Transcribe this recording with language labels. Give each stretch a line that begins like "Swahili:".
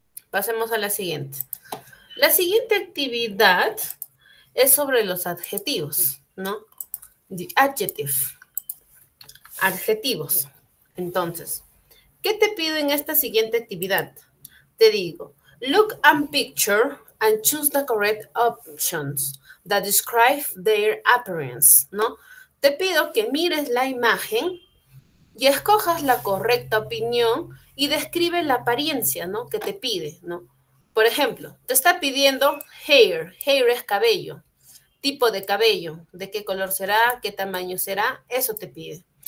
Spanish: Pasemos a la siguiente. La siguiente actividad es sobre los adjetivos, ¿no?
English: The adjective.
Spanish: Adjetivos. Entonces, ¿qué te pido en esta siguiente actividad? Te digo...
English: Look and picture and choose the correct options that describe their appearance,
Spanish: ¿no? Te pido que mires la imagen y escojas la correcta opinión y describe la apariencia, ¿no? Que te pide, ¿no? Por ejemplo, te está pidiendo hair. Hair es cabello. Tipo de cabello. ¿De qué color será? ¿Qué tamaño será? Eso te pide.